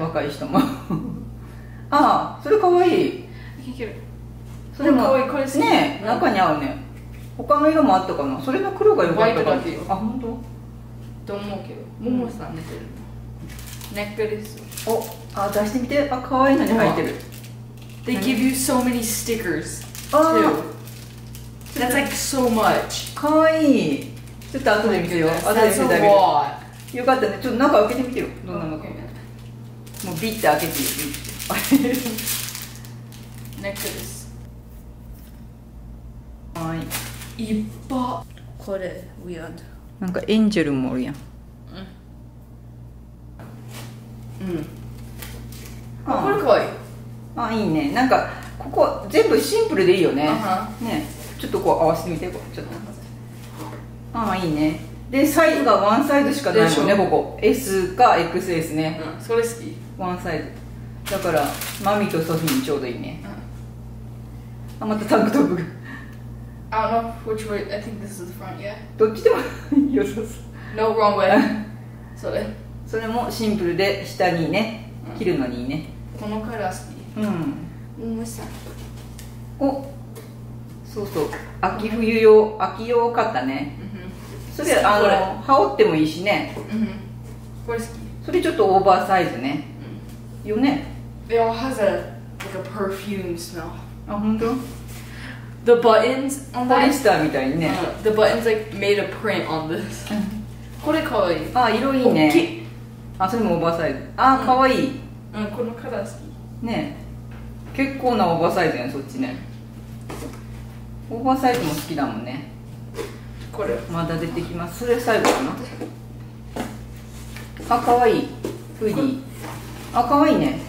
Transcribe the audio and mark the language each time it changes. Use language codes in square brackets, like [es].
[ja] 若い人も。あ、それかわいい。それもかわいい、これ好き。ね、中に合うね。他の色もあったかな。それの黒が良かったかも。ホワイトだけよ。あ、ほんと？と思うけど、ももさん寝てるの、うん、ネックレス。お、あ、出してみて。あ、かわいいのに入ってる。 [en] They give you so many stickers too. あ、 That's like so much. [ja] かわいい。ちょっと後で見てよ。後で見せてあげる。よかったね。ちょっと中開けてみてよ。どんなのか。もうビッて開けてよ。ネックレス。はい。いっぱ。これ、ウィアード。なんかエンジェルもおるやん。うん。うん。あ、これかわいい。あ、いいね。なんか、ここ全部シンプルでいいよね。うん、ね。ちょっとこう合わせてみて。ちょっと。ああ、いいね。で、サイズがワンサイズしかないもんね、ここ。 S か XS ね。うん、それ好き。ワンサイズ。だから、マミとソフィーにちょうどいいね。うん、あ、またタンクトップが。 [en] I don't know which way, I think this is the front, yeah? [ja] どっちでもいいよ、そうそう。 [en] No wrong way. それ。 [ja] それもシンプルで、下にね、切るのにいいね。うん、このカラー好き。うん。もしさ。お、そうそう。秋冬用、秋用買ったね。それ、あの、羽織ってもいいしね。うん、これ好き。それちょっとオーバーサイズね。うん、よね。 [en] It all has a, like a perfume smell. [ja] あ、ほんと？ [en] The buttons on that. [ja] ポリスターみたいにね。 [en] The buttons like made a print on this. [ja] これかわいい。あ、色いいね。あ、それもオーバーサイズ。あ、うん、かわいい。うん、このカラー好き。ね。結構なオーバーサイズやん、そっちね。オーバーサイズも好きだもんね。これまだ出てきます。それ最後かな。あ、かわいい。フーディー。あ、かわいいね。